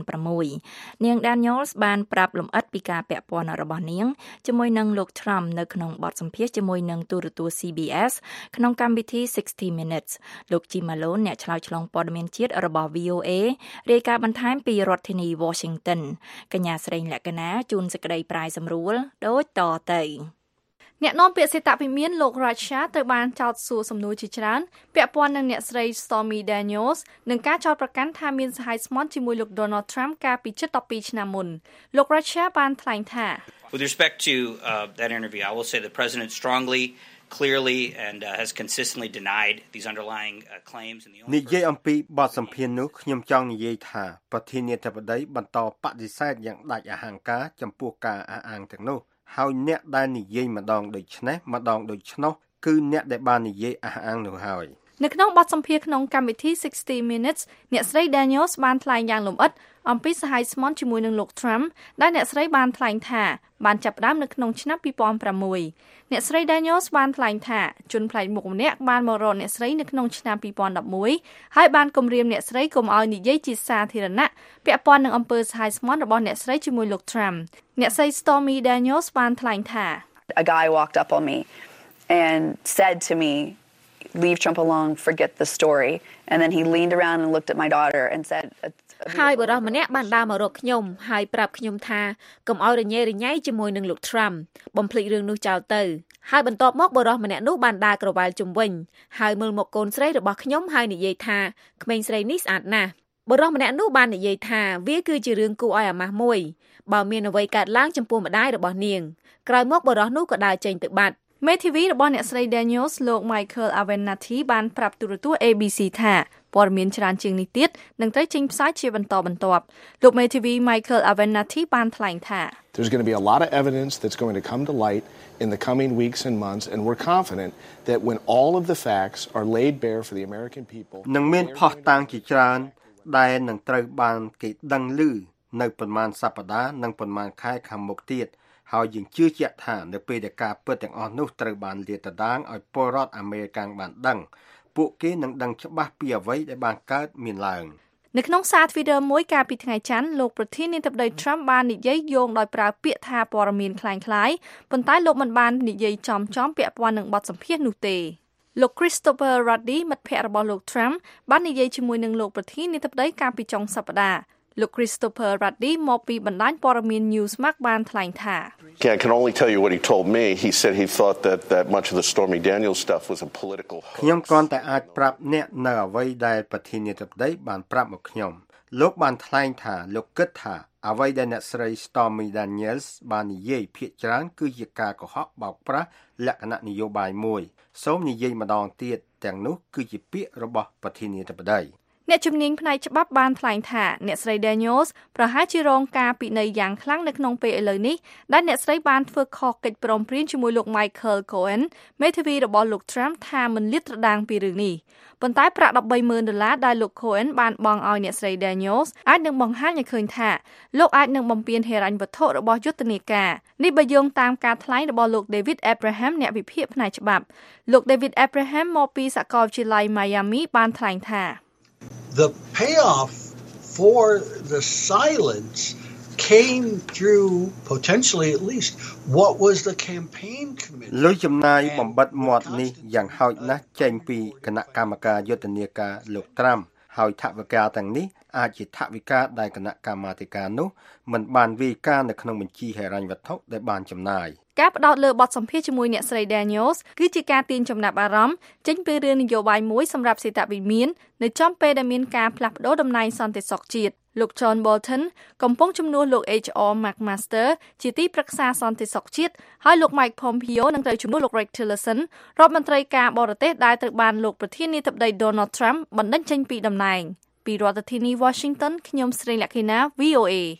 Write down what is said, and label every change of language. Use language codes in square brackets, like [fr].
[km] 2006នាងដានីយ៉ែលបានប្រាប់លម្អិតពីការពាក់ព័ន្ធរបស់នាងជាមួយនឹងលោកត្រាំនៅក្នុងបទសម្ភាសន៍ជាមួយនឹងទូរទស្សន៍ CBS ក្នុងកម្មវិធី60 minutes លោកជីម៉ាឡូនអ្នកឆ្លើយឆ្លងព័ត៌មានជាតិរបស់ VOA រាយការណ៍បន្ថែមពីរដ្ឋធានី Washington កញ្ញាស្រីលក្ខណាជួនសក្តីប្រាយសម្រួលដូចតទៅ អ្នកនាំពាក្យសេតវិមានលោករ៉ាឆាត្រូវបានចោទសួរសំណួរជាច្រើនពាក់ព័ន្ធនឹងអ្នកស្រី Stormy Daniels និងការចោទប្រកាន់ថាមានសហការស្មន់ជាមួយលោក Donald Trump កាលពីជិត12ឆ្នាំមុនលោករ៉ាឆាបានថ្លែងថា [en] With respect to that interview I will say the president strongly clearly and has consistently denied these underlying claims in the [km] នេះយេអំពីបទសម្ភាសន៍នោះខ្ញុំចង់និយាយថាប្រធានាធិបតីបន្តបដិសេធយ៉ាងដាច់អហង្ការចំពោះការអះអាងទាំងនោះហើយអ្នកដែលនិយាយម្ដងដូចនេះម្ដងដូចនោះគឺអ្នកដែលបាននិយាយអះអាងនោះហើយ នៅក្នុងបទសម្ភាសន៍ក្នុងកម្មវិធី60 minutes អ្នកស្រី Daniels បានថ្លែងយ៉ាងលម្អិតអំពីសហការស្មន់ជាមួយនឹងលោក Trump ដែលអ្នកស្រីបានថ្លែងថាបានចាប់ផ្ដើមនៅក្នុងឆ្នាំ2006អ្នកស្រី Daniels បានថ្លែងថាជនប្លែកមុខម្នាក់បានមករកអ្នកស្រីនៅក្នុងឆ្នាំ2011ហើយបានគំរាមអ្នកស្រីកុំឲ្យនិយាយជាសាធារណៈពាក់ព័ន្ធនឹងអំពើសហការស្មន់របស់អ្នកស្រីជាមួយលោក Trump អ្នកស្រី Stormy Daniels បានថ្លែងថា [en] A guy walked up on me and said to meLeave Trump alone, forget the story. And then he leaned around and looked at my daughter and said, "Hi, [km] បងរបស់ម្នាក់បានដើរមករកខ្ញុំហើយប្រាប់ខ្ញុំថាកុំឲ្យរញ៉េរញ៉ៃជាមួយនឹងលោក Trump. បំភ្លេចរឿងនោះចោលទៅ។ហើយបន្ទាប់មកបងរបស់ម្នាក់នោះបានដើរក្រវ៉ាល់ជុំវិញហើយមើលមកកូនស្រីរបស់ខ្ញុំហើយនិយាយថា"ក្មេងស្រីនេះស្អាតណាស់"បងរបស់ម្នាក់នោះបាននិយាយថា"វាគឺជារឿងគួរឲ្យអាម៉ាស់មួយ។បើមានអ្វីកើតឡើងចំពោះម្ដាយរបស់នាង"ក្រោយមកបងរបស់នោះក៏ដើរចេញទៅបាត់ មេធាវីរបស់អ្នកស្រី Daniels លោក Michael Avenatti បានប្រាប់ទូរទស្សន៍ ABC ថាព័ត៌មានច្រើនជាងនេះទៀតនឹងត្រូវចេញផ្សាយជាបន្តបន្ទាប់លោកមេធាវី Michael Avenatti បានថ្លែងថា [en] There's going to be a lot of evidence that's going to come to light in the coming weeks and months and we're confident that when all of the facts are laid bare for the American people [km] នឹងមានភស្តុតាងជាច្រើនដែលនឹងត្រូវបានគេដឹងឮ នៅប៉ុន្មានសប្តាហ៍និងប៉ុន្មានខែខាងមុខទៀតហើយយើងជឿជាក់ថានៅពេលដែលការពិតទាំងអស់នោះត្រូវបានលាតត្រដាងឲ្យពលរដ្ឋអាមេរិកបានដឹងពួកគេនឹងដឹងច្បាស់ពីអ្វីដែលបានកើតមានឡើង នៅក្នុងសារទ្វីតមួយកាលពីថ្ងៃច័ន្ទលោកប្រធានាធិបតី Trump បាននិយាយយោងដោយប្រើពាក្យថាព័ត៌មាន [th] คล้ายๆ [km] ប៉ុន្តែលោកមិនបាននិយាយចំចំពាក់ព័ន្ធនឹងបទសម្ភាសន៍នោះទេលោក Christopher Ruddy មិត្តភក្តិរបស់លោក Trump បាននិយាយជាមួយនឹងលោកប្រធានាធិបតីកាលពីចុងសប្តាហ៍លោក Christopher Ruddy មកពីបណ្ដាញព័ត៌មាន Newsmax បានថ្លែងថា [en] Can I can only tell you what he told me. He said he thought that that much of the Stormy Daniels stuff was a political hoax. [km] ខ្ញុំគាន់តែអាចប្រាប់អ្នកនៅអ្វីដែលប្រធានាធិបតីបានប្រាប់មកខ្ញុំលោកបានថ្លែងថាលោកគិតថាអ្វីដែលអ្នកស្រី Stormy Daniels បាននិយាយភាគច្រើនគឺជាការកុហកបោកប្រាស់លក្ខណៈនយោបាយមួយសូមនិយាយម្ដងទៀតទាំងនោះគឺជាពាក្យរបស់ប្រធានាធិបតី អ្នកជំនាញផ្នែកច្បាប់បានថ្លែងថាអ្នកស្រី Daniels ប្រហែលជារងការពិន័យយ៉ាងខ្លាំងនៅក្នុងពេលឥឡូវនេះដែលអ្នកស្រីបានធ្វើខុសកិច្ចព្រមព្រៀងជាមួយលោក Michael Cohen មេធាវីរបស់លោក Trump ថាមិនលាតត្រដាងពីរឿងនេះប៉ុន្តែប្រាក់ $130,000ដែលលោក Cohen បានបង់ឲ្យអ្នកស្រី Daniels អាចនឹងបង្ហាញឲ្យឃើញថាលោកអាចនឹងបំពានហិរញ្ញវត្ថុរបស់យុទ្ធនាការនេះបើយោងតាមការថ្លែងរបស់លោក David Abraham អ្នកវិភាគផ្នែកច្បាប់លោក David Abraham មកពីសាកលវិទ្យាល័យ Miami បានថ្លែងថា [en] The payoff for the silence came through potentially at least what was the campaign committee [km] លោកចំណាយបំបត្តិមាត់នេះយ៉ាងហោចណាស់ចេញពីគណៈកម្មការយុទ្ធនាការលោកត្រាំហើយថវិកាទាំងនេះអាចជាថវិកាដែលគណៈកម្មាធិការនោះមិនបានវាយការនៅក្នុងបញ្ជីហិរញ្ញវត្ថុដែលបានចំណាយ ការផ្ដោតលើបទសម្ភាសជាមួយអ្នកស្រី Daniels គឺជាការទាញចំណាប់អារម្មណ៍ចេញពីរឿងនយោបាយមួយសម្រាប់សេដ្ឋវិមាននៅចំពេលដែលមានការផ្លាស់ប្ដូរតំណែងសន្តិសុខជាតិលោក John Bolton កំពុងជំនួសលោក HR McMaster ជាទីប្រឹក្សាសន្តិសុខជាតិហើយលោក Mike Pompeo នឹងត្រូវជំនួសលោក Rex Tillerson រដ្ឋមន្ត្រីការបរទេសដែលត្រូវបានលោកប្រធានាធិបតី Donald Trump បណ្ដេញចេញពីតំណែងពីរដ្ឋធានី Washington ខ្ញុំស្រីលក្ខិណា VOA